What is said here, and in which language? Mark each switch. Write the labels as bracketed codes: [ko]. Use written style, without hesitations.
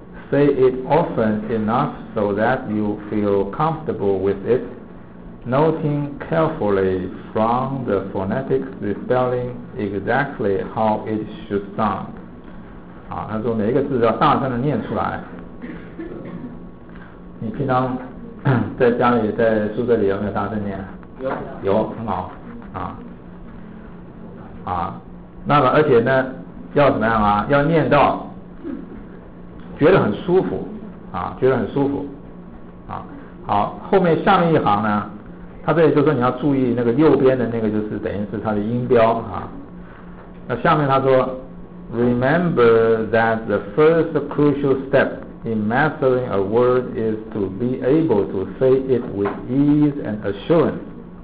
[en] Say it often enough so that you feel comfortable with it, noting carefully from the phonetics the spelling exactly how it should sound. [zh] 啊，他说每一个字要大声的念出来。你平常在家里、在宿舍里有没有大声念？有，很好啊。啊，那么而且呢要怎么样啊，要念到觉得很舒服啊，觉得很舒服啊。好，后面下面一行呢，他这里就说你要注意那个右边的那个，就是等于是他的音标啊。那下面他说 [en] Remember that the first crucial step in mastering a word is to be able to say it with ease and assurance。